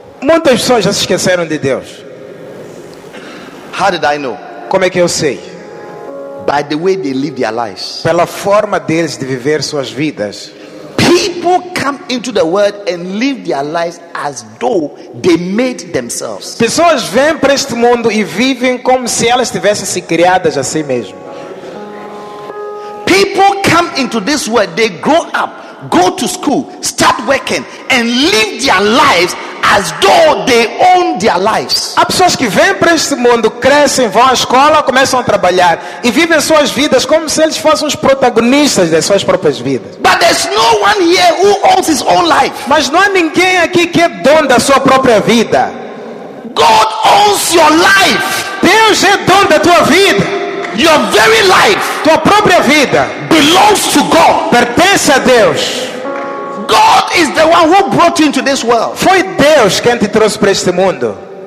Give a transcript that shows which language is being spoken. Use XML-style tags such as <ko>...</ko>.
<pt>Muitas pessoas já se esqueceram de Deus.</pt> <en>How did I know?</en> <pt>Como é que eu sei?</pt> <en>By the way they live their lives.</en> <pt>Pela forma deles de viver suas vidas.</pt> <en>People come into the world and live their lives as though they made themselves.</en> <pt>Pessoas vêm para este mundo e vivem como se elas tivessem se criadas a si mesmo.</pt> <en>People come into this world, they grow up, go to school, start working and live their lives as though they own their lives.</en> <pt>Há pessoas que vêm para este mundo, crescem, vão à escola, começam a trabalhar e vivem suas vidas como se eles fossem os protagonistas das suas próprias vidas.</pt> <en>But there's no one here who owns his own life.</en> <pt>Mas não há ninguém aqui que é dono da sua própria vida.</pt> <en>God owns your life.</en> <pt>Deus é dono da tua vida.</pt> <en>Your very life.</en> <pt>Tua própria vida</pt> <en>belongs to God.</en> <pt>Pertence a Deus.</pt> <en>God is the one who brought you into this world.</en> <pt>Foi Deus quem te trouxe para este mundo.</pt>